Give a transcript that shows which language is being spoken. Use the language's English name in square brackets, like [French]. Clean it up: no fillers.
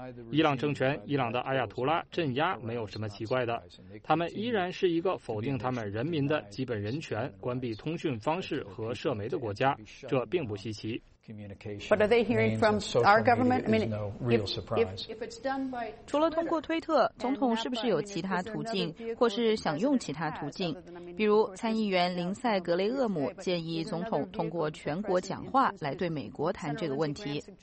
[Chinese] 伊朗政权、伊朗的阿亚图拉镇压没有什么奇怪的，他们依然是一个否定他们人民的基本人权、关闭通讯方式和社媒的国家，这并不稀奇。 [English] But are they hearing from our government? I mean, if it's done by [Chinese] 除了通过推特，总统是不是有其他途径，或是想用其他途径？比如参议员林塞·格雷厄姆建议总统通过全国讲话来对美国谈这个问题。